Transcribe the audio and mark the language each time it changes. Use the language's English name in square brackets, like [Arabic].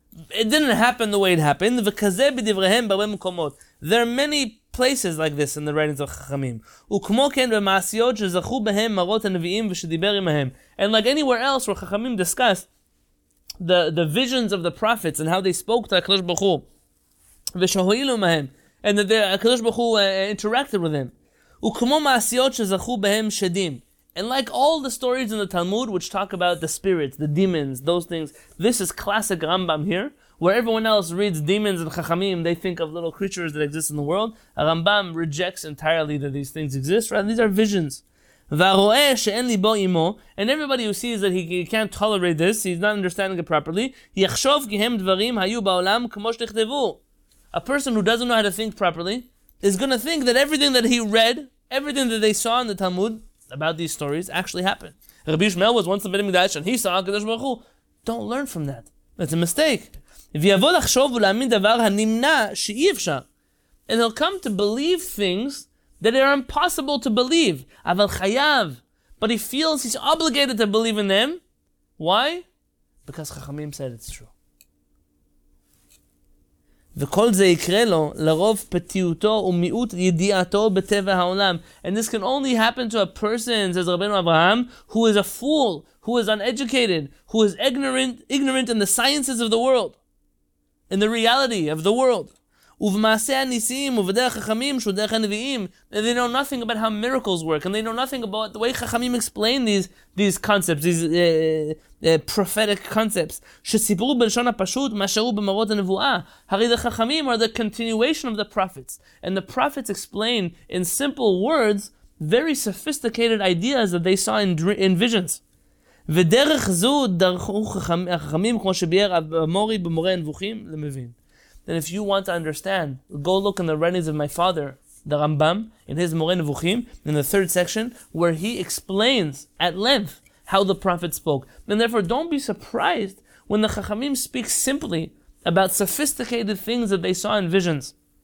[English] It didn't happen the way it happened. There are many places like this in the writings of Chachamim. And like anywhere else where Chachamim discussed the visions of the prophets and how they spoke to HaKadosh Baruch Hu. And that the HaKadosh Baruch Hu interacted with him. [Hebrew] וכמו מעשיות שזכו בהם שדים. [English] And like all the stories in the Talmud, which talk about the spirits, the demons, those things, this is classic Rambam here, where everyone else reads demons and Chachamim, they think of little creatures that exist in the world. Rambam rejects entirely that these things exist, rather these are visions. [Hebrew] והרואה שאין ליבו אימו, [English] and everybody who sees that he can't tolerate this, he's not understanding it properly, [Hebrew] יחשוב כי הם דברים היו בעולם כמו שנכתבו. [English] A person who doesn't know how to think properly is going to think that everything that he read, everything that they saw in the Talmud about these stories actually happened. Rabbi Shmuel was once in the Beit HaMikdash and he saw HaKadosh Baruch Hu. Don't learn from that. That's a mistake. And he'll come to believe things that are impossible to believe. But he feels he's obligated to believe in them. Why? Because Chachamim said it's true. [Hebrew] וכל זה יקרה לו לרוב פתיותו ומיעוט ידיעתו בטבע העולם. [English] And this can only happen to a person, says Rabbeinu Abraham, who is a fool, who is uneducated, who is ignorant in the sciences of the world, in the reality of the world. [Hebrew] ובמעשה הניסים ובדרך חכמים שהוא דרך הנביאים. [English] And they know nothing about how miracles work, and they know nothing about the way חכמים explain these concepts, prophetic concepts. [Hebrew] שסיפרו בלשון הפשוט מה שראו במראות הנבואה. הרי [English] the חכמים are the continuation of the prophets. And the prophets explain in simple words very sophisticated ideas that they saw in visions. [Hebrew] ודרך זו דרכו החכמים כמו שביאר המורי במורה הנבוכים למבין. [English] Then if you want to understand, go look in the writings of my father, the Rambam, in his Moreh Nevuchim, in the third section, where he explains at length how the Prophet spoke. And therefore, don't be surprised when the Chachamim speak simply about sophisticated things that they saw in visions.